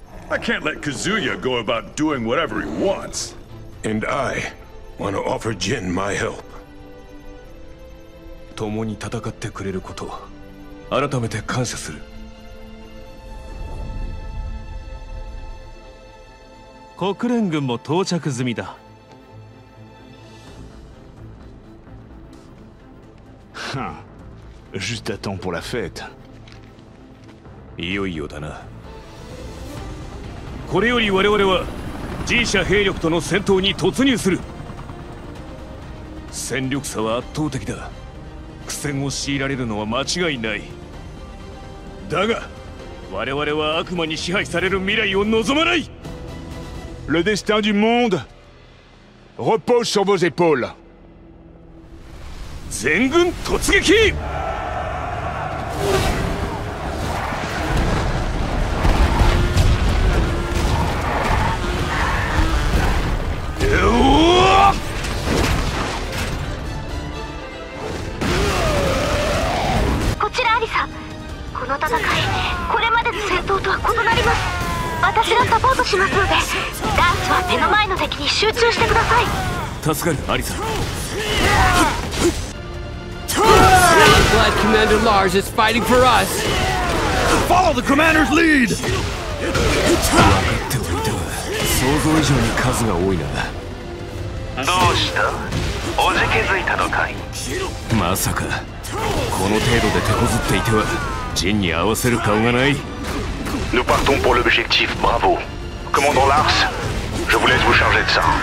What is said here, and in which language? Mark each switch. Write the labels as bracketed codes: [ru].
[en] I can't let Kazuya go about doing whatever he wants. And I want to offer Jin my help. [ja] 共に戦ってくれること、改めて感謝する。国連軍も到着済みだ。 [fr] はぁ、juste à temps pour la fête。 [ja] いよいよだな。これより我々は G 社兵力との戦闘に突入する。戦力差は圧倒的だ。苦戦を強いられるのは間違いない。だが我々は悪魔に支配される未来を望まない。 [fr] Le destin du monde repose sur vos épaules。 [ja] 全軍突撃。こちらアリサ、この戦いこれまでの戦闘とは異なります。私がサポートしますので、ダースは目の前の敵に集中してください。助かるアリサ。 [en] Glad Commander Lars is fighting for us. Follow the commander's lead. [ja] 分かっておいては、想像以上に数が多いな。どうした？おじけづいたのかい？まさかこの程度で手こずっていてはジンに合わせる顔がない。 [fr] Nous partons pour l'objectif Bravo. Commandant Lars, je vous laisse vous charger de ça.